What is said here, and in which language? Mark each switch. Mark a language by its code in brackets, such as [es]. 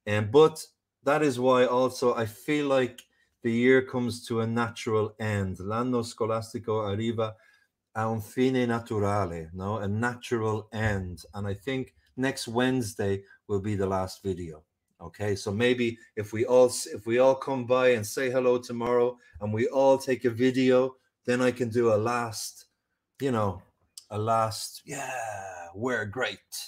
[en] But that is why also I feel like the year comes to a natural end. [it] L'anno scolastico arriva a un fine naturale, no? [en] A natural end. And I think next Wednesday will be the last video. Okay, so maybe if we all come by and say hello tomorrow and we all take a video, then I can do a last, a last, yeah, we're great.